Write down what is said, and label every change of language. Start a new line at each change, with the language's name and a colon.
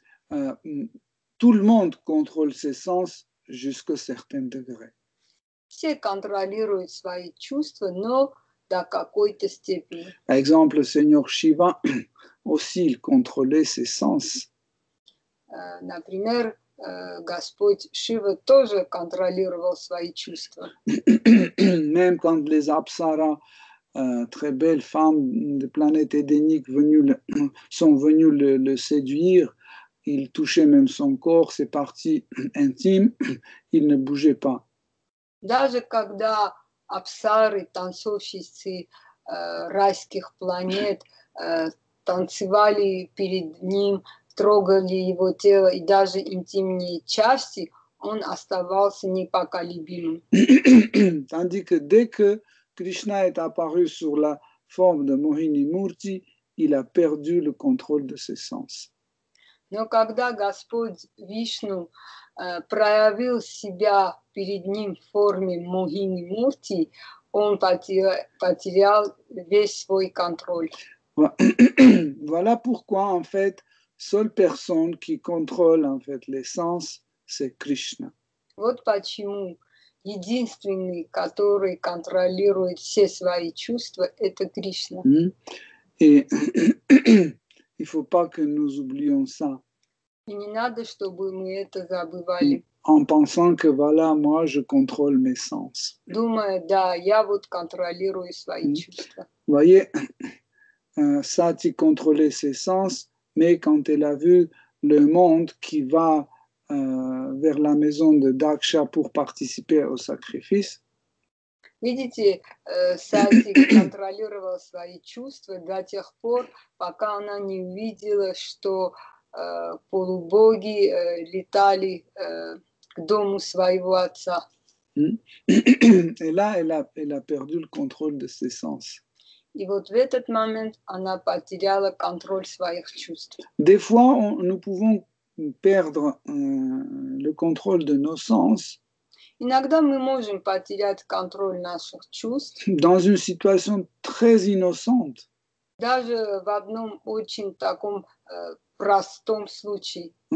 French: Tout le monde contrôle ses sens jusqu'à certains degrés.
Russian: Все контролируют свои чувства, но до какой-то степени.
French: Par exemple, Seigneur Shiva aussi il contrôlait ses sens.
Russian: Например, Господь Шива тоже контролировал свои чувства.
French: Même quand les apsaras, très belles femmes de planète Edenic sont venues le séduire. Il touchait même son corps, ses parties intimes, il ne bougeait pas.
Russian: Даже когда апсары, танцовщицы райских планет, танцевали перед ним, трогали его тело и даже интимные части, он оставался непоколебимым.
French: Tandis que dès que Krishna est apparu sous la forme de Mohini Murti, il a perdu le contrôle de ses sens.
Russian: Но когда Господь Вишну проявил себя перед ним в форме Могини Мурти, он потерял весь свой контроль.
French: Voilà pourquoi, en fait, seule personne qui contrôle en fait, les sens, c'est Krishna.
Russian: Вот почему единственный, который контролирует все свои чувства, это Кришна.
French: Et il ne faut pas que nous oublions ça.
Russian: И не надо, чтобы мы это забывали.
French: En pensant que voilà, moi je contrôle mes sens.
Russian: Думая, да, я вот контролирую свои чувства.
French: Vous voyez, Sati contrôlait ses sens, mais quand elle a vu le monde qui va vers la maison de Daksha pour participer au sacrifice.
Russian: Видите, Сати контролировал свои чувства до тех пор, пока она не увидела, что полубоги летали к дому своего отца.
French: Et là, elle a perdu le contrôle de ses sens.
Russian: И вот в этот момент она потеряла контроль своих чувств.
French: Des fois, nous pouvons perdre le contrôle de nos sens.
Russian: Иногда мы можем потерять контроль наших чувств.
French: Dans une situation très innocente.
Russian: Даже в одном очень таком простом случае.